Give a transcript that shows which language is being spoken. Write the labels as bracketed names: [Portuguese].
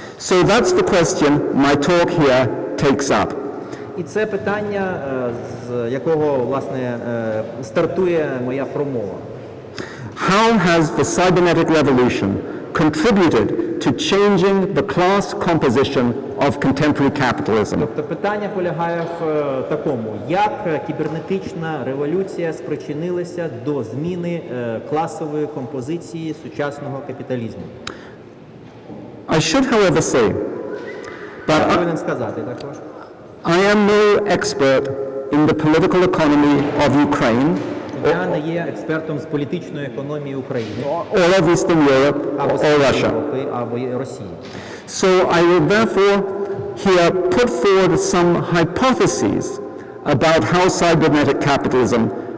[English] So that's the question my talk here takes up. [Ukrainian] І це питання, з якого, власне, стартує моя промова. [English] How has the cybernetic revolution contributed to changing the class composition of contemporary capitalism? [Ukrainian] Тобто питання полягає в такому. Як кібернетична революція спричинилася до зміни класової композиції сучасного капіталізму? [English] I should, however, say, but [Ukrainian] я повинен сказати також. [English] I am no expert in the political economy of Ukraine. [Ukrainian] Я не є експертом з політичної економії України. [English] Or of Eastern Europe, or Russia. [Ukrainian] Або Росії. [English] So I will therefore here put forward some hypotheses about how cybernetic capitalism